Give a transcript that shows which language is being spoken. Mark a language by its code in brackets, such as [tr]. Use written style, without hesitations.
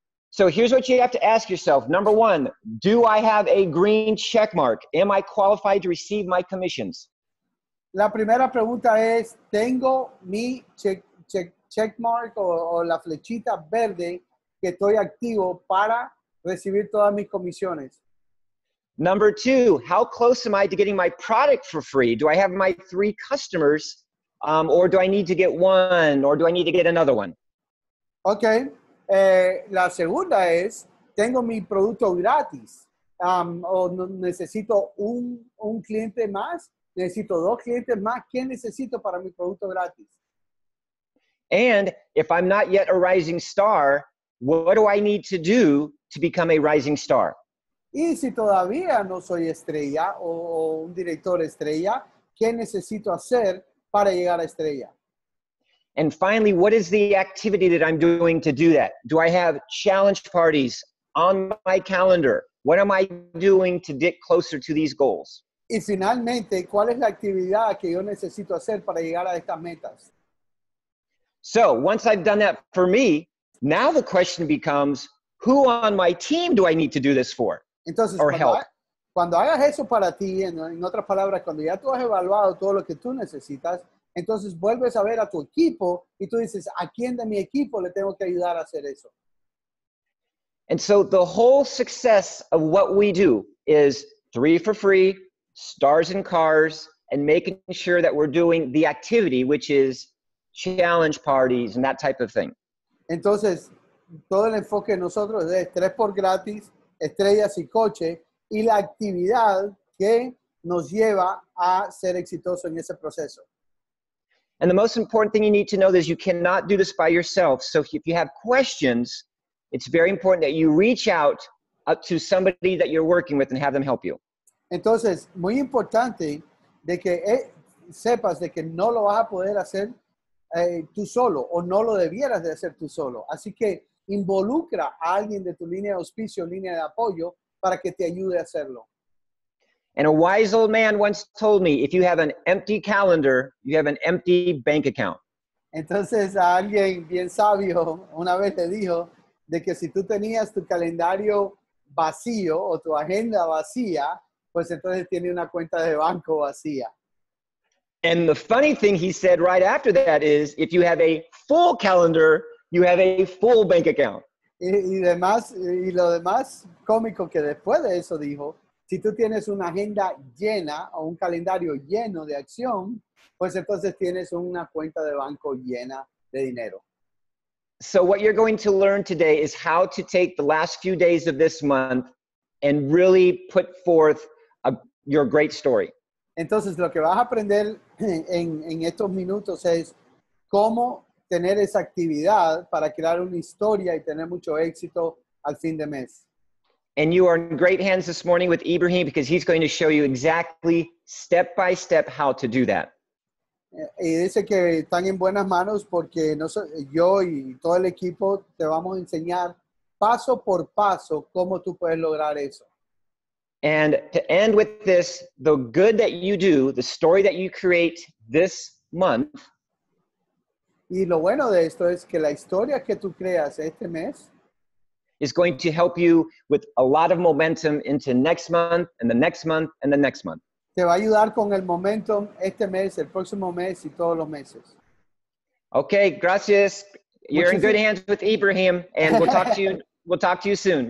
[en] So here's what you have to ask yourself. Number one, do I have a green check mark? Am I qualified to receive my commissions? [es] La primera pregunta es, ¿tengo mi check mark o la flechita verde que estoy activo para recibir todas mis comisiones? [en] Number two, how close am I to getting my product for free? Do I have my three customers or do I need to get one or do I need to get another one? Okay. [es] La segunda es, ¿tengo mi producto gratis? ¿O necesito un cliente más? ¿Necesito dos clientes más? ¿Qué necesito para mi producto gratis? [en] And if I'm not yet a rising star, what do I need to do to become a rising star? [es] Y si todavía no soy estrella o un director estrella, ¿qué necesito hacer para llegar a estrella? [en] And finally, what is the activity that I'm doing to do that? Do I have challenge parties on my calendar? What am I doing to get closer to these goals? [es] Y finalmente, ¿cuál es la actividad que yo necesito hacer para llegar a estas metas? [en] So, once I've done that for me, now the question becomes, who on my team do I need to do this for? [es] Entonces, [en] or help? [es] Cuando hagas eso para ti, en otras palabras, cuando ya tú has evaluado todo lo que tú necesitas, entonces vuelves a ver a tu equipo y tú dices, ¿a quién de mi equipo le tengo que ayudar a hacer eso? [en] And so the whole success of what we do is 3 for free, stars in cars, and making sure that we're doing the activity, which is challenge parties and that type of thing. [es] Entonces, todo el enfoque de nosotros es 3 por gratis, estrellas y coche, y la actividad que nos lleva a ser exitoso en ese proceso. [en] And the most important thing you need to know is you cannot do this by yourself. So if you have questions, it's very important that you reach out up to somebody that you're working with and have them help you. [es] Entonces, muy importante de que sepas de que no lo vas a poder hacer tú solo o no lo debieras de hacer tú solo. Así que involucra a alguien de tu línea de auspicio, línea de apoyo, para que te ayude a hacerlo. [en] And a wise old man once told me, if you have an empty calendar, you have an empty bank account. [es] Entonces, alguien bien sabio una vez te dijo de que si tú tenías tu calendario vacío o tu agenda vacía, pues entonces tiene una cuenta de banco vacía. [en] And the funny thing he said right after that is, if you have a full calendar, you have a full bank account. [es] Y lo demás cómico que después de eso dijo, si tú tienes una agenda llena o un calendario lleno de acción, pues entonces tienes una cuenta de banco llena de dinero. [en] So what you're going to learn today is how to take the last few days of this month and really put forth your great story. [es] Entonces, lo que vas a aprender en estos minutos es cómo tener esa actividad para crear una historia y tener mucho éxito al fin de mes. [en] And you are in great hands this morning with Ibrahim because he's going to show you exactly step by step how to do that. [es] Y dice que están en buenas manos porque yo y todo el equipo te vamos a enseñar paso por paso cómo tú puedes lograr eso. [en] And to end with this, the good that you do, the story that you create this month. [es] Y lo bueno de esto es que la historia que tú creas este mes [en] is going to help you with a lot of momentum into next month and the next month and the next month. [es] Te va a ayudar con el momentum este mes, el próximo mes y todos los meses. Okay, gracias. [en] You're in good hands with Ibrahim, and we'll talk to you soon.